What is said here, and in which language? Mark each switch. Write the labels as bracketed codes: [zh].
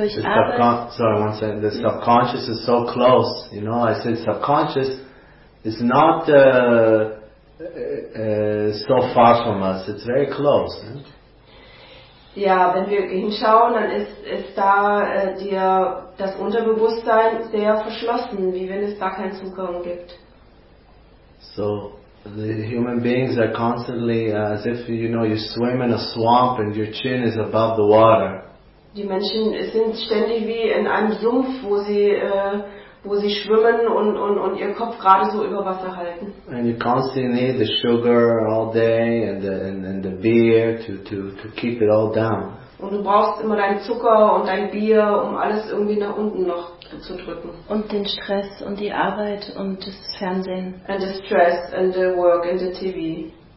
[en] The subconscious is so close, you know. I said subconscious is not so far from us. It's very close. [de] Ja, wenn wir hinschauen, dann ist da dir das Unterbewusstsein sehr verschlossen, wie wenn es da keinen Zugang gibt. [en] So the human beings are constantly as if you know you swim in a swamp and your chin is above the water. [de] Die Menschen sind ständig wie in einem Sumpf, wo sie schwimmen und ihr Kopf gerade so über Wasser halten. [en] And you constantly need the sugar all day and the beer to keep it all down. [de] Und du brauchst immer deinen Zucker und dein Bier, um alles irgendwie nach unten noch zu drücken. Und den Stress und die Arbeit und das Fernsehen. [en] And the stress and the work and the TV.